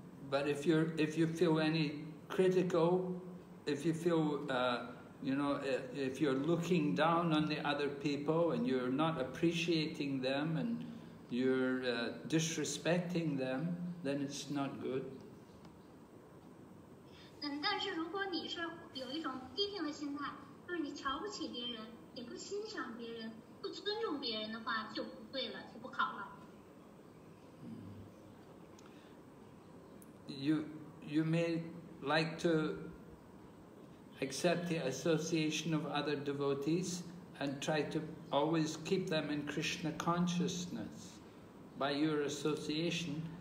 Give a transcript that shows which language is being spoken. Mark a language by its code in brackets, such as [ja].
[en] But if you feel any critical, if you feel, if you're looking down on the other people and you're not appreciating them and you're disrespecting them, then it's not good. [zh] 但是如果你是有一种批评的心态，就是你瞧不起别人，也不欣赏别人，不尊重别人的话，就不对了，就不好了。 [en] You may like to accept the association of other devotees and try to always keep them in Krishna consciousness by your association.